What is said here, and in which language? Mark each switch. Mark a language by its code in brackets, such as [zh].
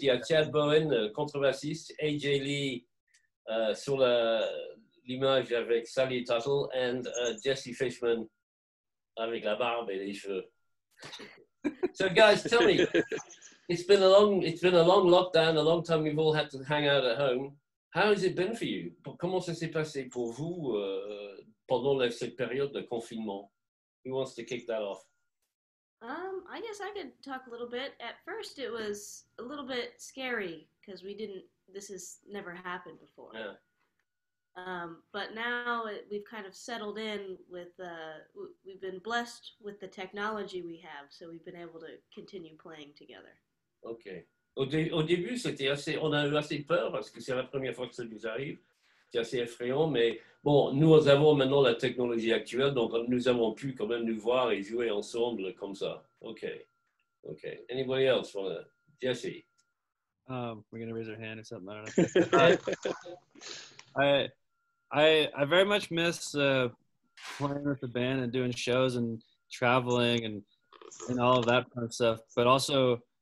[fr] Il y a Chad Bowen, le contrebassiste. AJ Lee sur l'image avec Sally Tuttle. And Jesse Fishman avec la barbe et les cheveux. [en] So, guys, tell me. It's been a long lockdown, a long time we've all had to hang out at home. How has it been for you? [fr] Comment ça s'est passé pour vous pendant cette période de confinement? [en] Who wants to kick that off? I guess I could talk a little bit. At first, it was a little bit scary because this has never happened before. Yeah. But now we've kind of settled in with, we've been blessed with the technology we have, so we've been able to continue playing together. [fr] Ok. Au début, c'était assez. On a eu assez peur parce que c'est la première fois que ça nous arrive. C'est assez effrayant, mais bon, nous avons maintenant la technologie actuelle, donc nous avons pu quand même nous voir et jouer ensemble comme ça. [en] Ok. Ok. Anybody else want to? Jesse. We're gonna raise our hand or something. I don't know. I very much miss playing with the band and doing shows and traveling and all of that kind of stuff, but also.